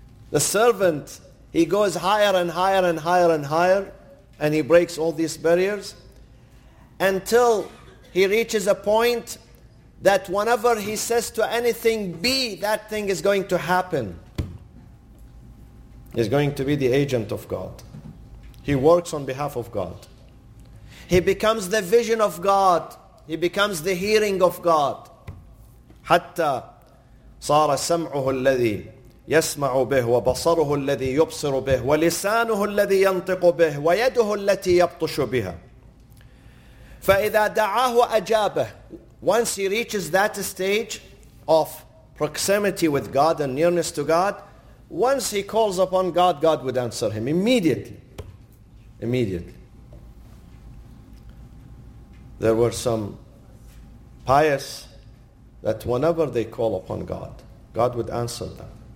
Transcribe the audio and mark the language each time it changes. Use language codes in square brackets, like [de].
[en] The servant, he goes higher and higher and higher and higher, and he breaks all these barriers until he reaches a point that whenever he says to anything, be, that thing is going to happen. He's going to be the agent of God. He works on behalf of God. He becomes the vision of God. He becomes the hearing of God. [ar] Hatta صار سمعه الذي يسمع به وبصره الذي يبصر به ولسانه الذي ينطق به ويده التي يبطش بها. فإذا دعاه أجابه. [en] Once he reaches that stage of proximity with God and nearness to God, once he calls upon God, God would answer him immediately. Immediately. There were some pious that whenever they call upon God, God would answer them.